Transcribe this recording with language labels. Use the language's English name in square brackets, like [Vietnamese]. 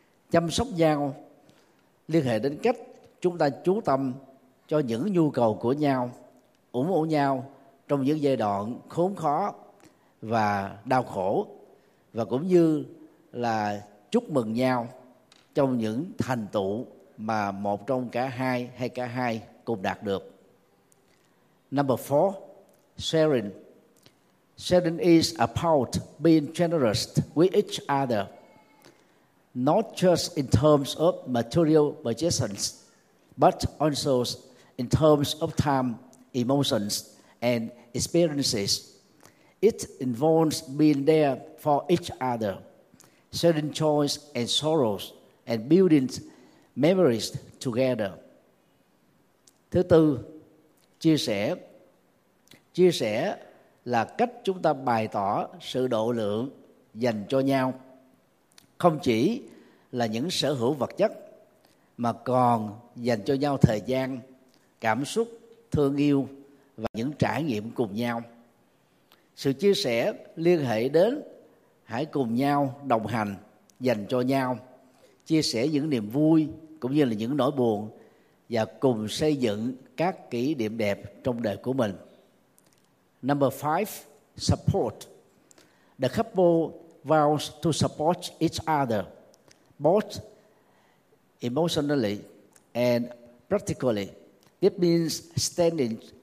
[Vietnamese] Chăm sóc nhau liên hệ đến cách chúng ta chú tâm cho những nhu cầu của nhau, ủng hộ nhau trong những giai đoạn khốn khó và đau khổ, và cũng như là chúc mừng nhau trong những thành tựu mà một trong cả hai hay cả hai cùng đạt được. [English] Number four, sharing. Sharing is about being generous with each other, not just in terms of material possessions, but also in terms of time, emotions, and experiences. It involves being there for each other, sharing joys and sorrows, and building memories together. [Vietnamese] Thứ tư, chia sẻ. Chia sẻ là cách chúng ta bày tỏ sự độ lượng dành cho nhau, không chỉ là những sở hữu vật chất, mà còn dành cho nhau thời gian, cảm xúc, thương yêu và những trải nghiệm cùng nhau. Sự chia sẻ liên hệ đến hãy cùng nhau đồng hành dành cho nhau, chia sẻ những niềm vui cũng như là những nỗi buồn, và cùng xây dựng các kỷ niệm đẹp trong đời của mình. [English] Number five, support. The couple vows to support each other, both emotionally and practically. It means standing